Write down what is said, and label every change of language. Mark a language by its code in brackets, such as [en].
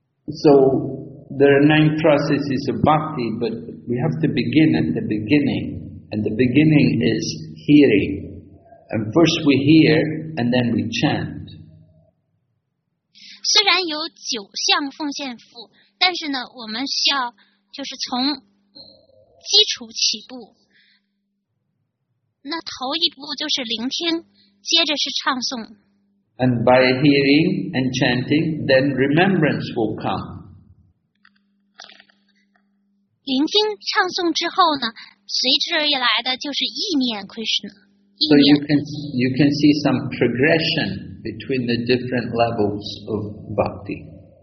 [en] So there are 9 processes of bhakti, but we have to begin at the beginning, and the beginning is hearing. And first we hear, and then we chant. [zh] 虽然有九项奉献服，但是呢，我们需要就是从基础起步，那头一步就是聆听，接着是唱诵。 [en] And by hearing and chanting, then remembrance will come. [zh] 聆听唱诵之后呢，随之而来的就是意念 Krishna。 [en] So you can see some progression between the different levels of bhakti.